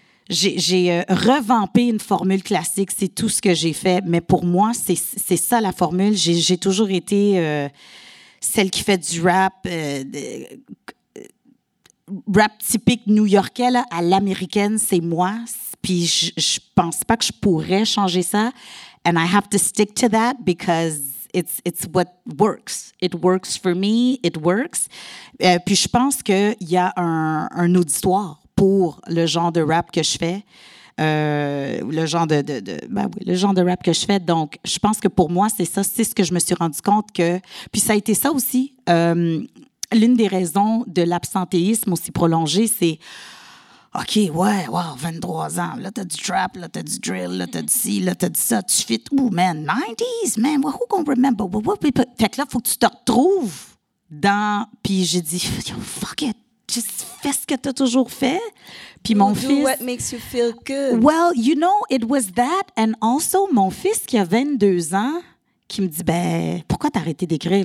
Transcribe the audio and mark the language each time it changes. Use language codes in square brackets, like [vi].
[fr] J'ai revampé une formule classique, c'est tout ce que j'ai fait. Mais pour moi, c'est ça la formule. J'ai toujours été celle qui fait du rap, rap typique new-yorkais là, à l'américaine, c'est moi. Puis je pense pas que je pourrais changer ça. [en] And I have to stick to that because it's what works. It works for me, it works. [fr] Puis je pense qu'il y a un auditoire pour le genre de rap que je fais, le genre de rap que je fais. Donc, je pense que pour moi, c'est ça, c'est ce que je me suis rendu compte que... Puis ça a été ça aussi. L'une des raisons de l'absentéisme aussi prolongé, c'est... OK, ouais, wow, 23 ans, là, t'as du trap, là, t'as du drill, là, t'as du ci, là, t'as du ça, tu fit. [en] Ooh, man, 90s, man, well, who gonna remember? [fr] Fait que là, faut que tu te retrouves dans... Puis j'ai dit, [en] fuck it. Just [fr] fais ce que t'as toujours fait. Puis mon fils... [en] Do what makes you feel good. Well, you know, it was that. And also, [fr] mon fils qui a 22 ans, qui me dit, ben, pourquoi t'as arrêté d'écrire?